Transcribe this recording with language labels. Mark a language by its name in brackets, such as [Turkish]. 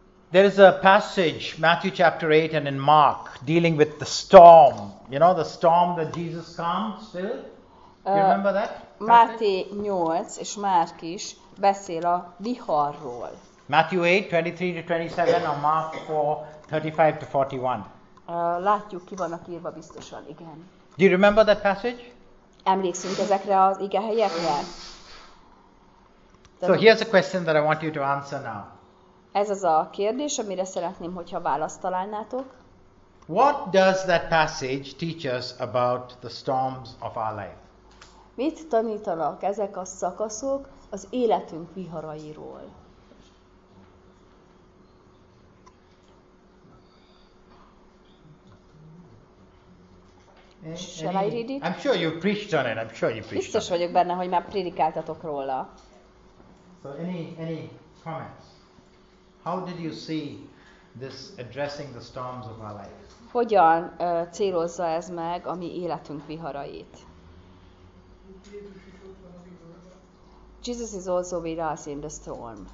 [English] There is a passage, Matthew chapter 8 and in Mark, dealing with the storm. You know the storm that Jesus calms, Phil? Do you remember that? [Hungarian] Máté 8 és Márk is beszél a viharról. [English] Matthew 8, 23-27 or Mark 4, 35-41. [Hungarian] Látjuk, ki vannak írva biztosan, igen. [English] Do you remember that passage? [Hungarian] Emlékszünk ezekre az ige helyekre? [English] So here's a question that I want you to answer now. [Hungarian] Ez az a kérdés, amire szeretném, hogyha választ találnátok. [English] What does that passage teach us about the storms of our life? [Hungarian] Mit tanítanak ezek a szakaszok az életünk viharairól? [English] Shall I read it? I'm sure you preached on it. I'm sure you preached. [Hungarian] Biztos vagyok benne, hogy már prédikáltatok róla. [English] So any comments? How did you see this addressing the storms of our life? [Hungarian] Hogyan célozza ez meg a mi életünk viharait? [English] Jesus is also with us in the storm.